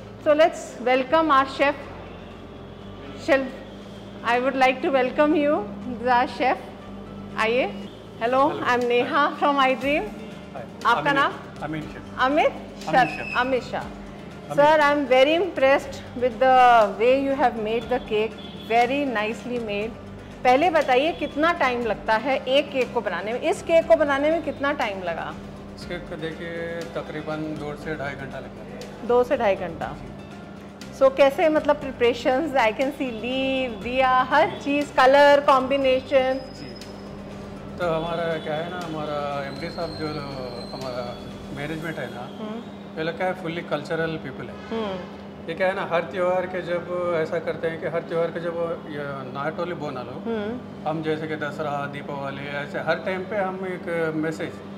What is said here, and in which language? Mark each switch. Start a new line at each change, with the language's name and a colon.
English: So let's welcome our chef. Chef, I would like to welcome you, the chef. Aye. Hello, I'm Neha from iDream. Hi.
Hindi: Aapka naam?
English: Amit Chef. Amit? Chef. Amit Shah. Sir, I am very impressed with the way you have made the cake. Very nicely made.
Hindi: पहले बताइए कितना time लगता है एक cake को बनाने में? इस केक को बनाने में कितना time लगा? इस केक को देखिए तकरीबन 2 से 2.5 घंटा लगा. 2 से 2.5 घंटा.
English: So
Hindi: कैसे मतलब
English: preparations? I can see leaf, diya, हर चीज, color, combination.
Hindi: तो हमारा क्या है ना, हमारा MD साहब जो हमारा management है ना, पहले क्या है,
English: fully cultural people
Hindi: है. ये क्या है ना, हर त्यौहार के जब ऐसा करते हैं कि हर त्यौहार के जब
English: not only
Hindi: बोना लो, हम जैसे कि दशहरा, दीपावली, ऐसे हर टाइम पे हम एक मैसेज.